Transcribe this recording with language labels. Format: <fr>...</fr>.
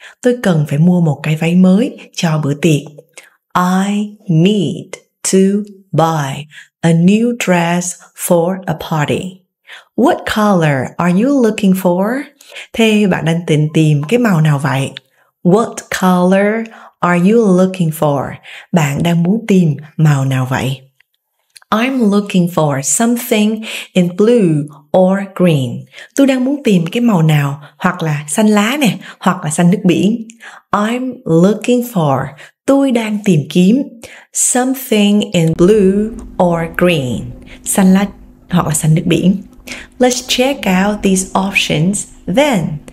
<vi>Tôi cần phải mua một cái váy mới cho bữa tiệc.</vi> <en>I need to buy a new dress for a party. What color are you looking for?</en> <vi>Thế bạn đang tìm cái màu nào vậy?</vi> <en>What color are you looking for?</en> <vi>Bạn đang muốn tìm màu nào vậy?</vi> <en>I'm looking for something in blue or green.</en> <vi>Tôi đang muốn tìm cái màu nào, hoặc là xanh lá nè, hoặc là xanh nước biển.</vi> <en>I'm looking for,</en> <vi>tôi đang tìm kiếm,</vi> <en>something in blue or green.</en> <vi>Xanh lá hoặc là xanh nước biển.</vi> <en>Let's check out these options then.</en>